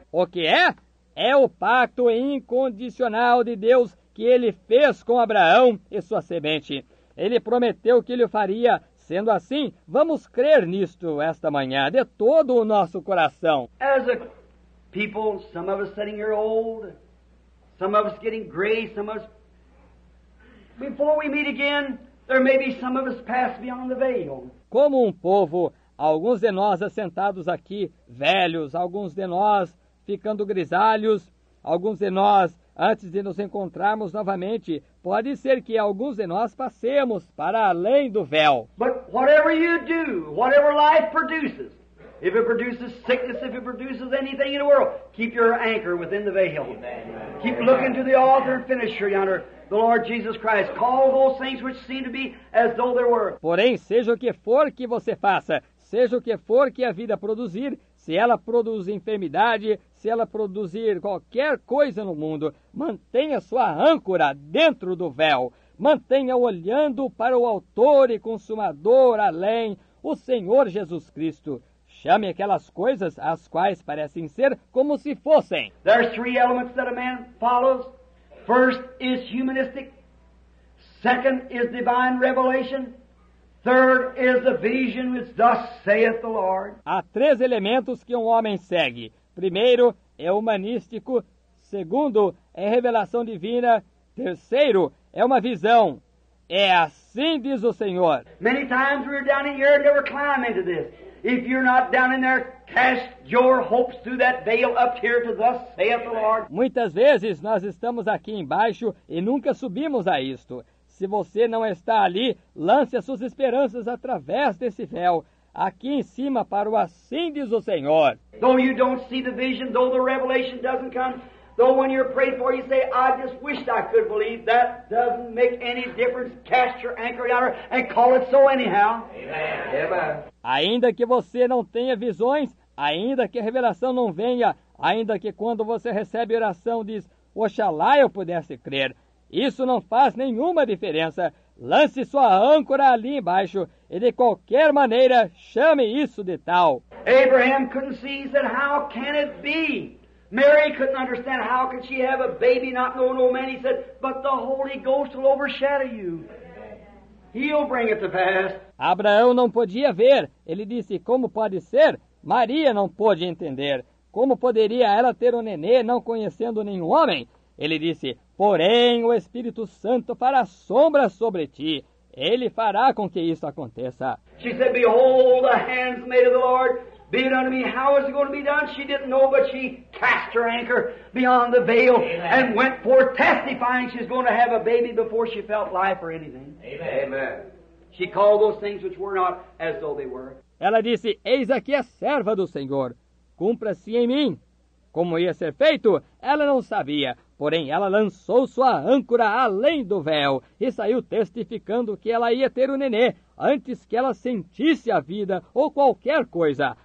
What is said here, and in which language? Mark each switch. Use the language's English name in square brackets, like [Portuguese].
[Portuguese] O que é? É o pacto incondicional de Deus que ele fez com Abraão e sua semente. Ele prometeu que ele faria. Sendo assim, vamos crer nisto esta manhã de todo o nosso coração. [English] As a people, some of us sitting here old, some of us getting gray, some of us... Before we meet again, there may be some of us passed beyond the veil. [Portuguese] Como um povo, alguns de nós assentados aqui, velhos, alguns de nós ficando grisalhos, alguns de nós antes de nos encontrarmos novamente, pode ser que alguns de nós passemos para além do véu. [English] But whatever you do, whatever life produces, if it produces sickness, if it produces anything in the world, keep your anchor within the veil. Amen. Keep looking to the author and finisher yonder, the Lord Jesus Christ. Call those things which seem to be as though they were. [Portuguese] Porém, seja o que for que você faça, seja o que for que a vida produzir, se ela produz enfermidade, se ela produzir qualquer coisa no mundo, mantenha sua âncora dentro do véu. Mantenha olhando para o autor e consumador além, o Senhor Jesus Cristo. Chame aquelas coisas as quais parecem ser como se fossem. [English] There's three elements that a man follows. First is humanistic. Second is divine revelation. Third is the vision which thus saith the Lord. [Portuguese] Há três elementos que um homem segue. Primeiro é humanístico. Segundo é revelação divina. Terceiro é uma visão. É assim, diz o Senhor. [English] Many times we were down in here and never climb into this. If you're not down in there, cast your hopes through that veil up here to thus saith the Lord. [Portuguese] Muitas vezes nós estamos aqui embaixo e nunca subimos a isto. Se você não está ali, lance as suas esperanças através desse véu, aqui em cima para o assim diz o Senhor. [English] Though you don't see the vision, though the revelation doesn't come, though when you're prayed for, you say, I just wished I could believe, that doesn't make any difference. Cast your anchor down and call it so anyhow. Amen. Amen. [Portuguese] Ainda que você não tenha visões, ainda que a revelação não venha, ainda que quando você recebe oração diz, oxalá eu pudesse crer, isso não faz nenhuma diferença. Lance sua âncora ali embaixo e de qualquer maneira chame isso de tal. [English] Abraham couldn't see, he said, how can it be? Mary couldn't understand, how could she have a baby not know no man? He said, but the Holy Ghost will overshadow you. He'll bring it to pass. [Portuguese] Abraão não podia ver. Ele disse, como pode ser? Maria não pôde entender. Como poderia ela ter um nenê não conhecendo nenhum homem? Ele disse, porém o Espírito Santo fará sombra sobre ti. Ele fará com que isso aconteça. [English] She said, behold the handmaid of the Lord, be it unto me. How is it going to be done? She didn't know, but she cast her anchor beyond the veil. Amen. And went forth testifying she's going to have a baby before she felt life or anything. Amen. She called those things which were not as though they were. [Portuguese] Ela disse, eis aqui a serva do Senhor, cumpra-se em mim. Como ia ser feito, ela não sabia, porém ela lançou sua âncora além do véu e saiu testificando que ela ia ter o nenê antes que ela sentisse a vida ou qualquer coisa.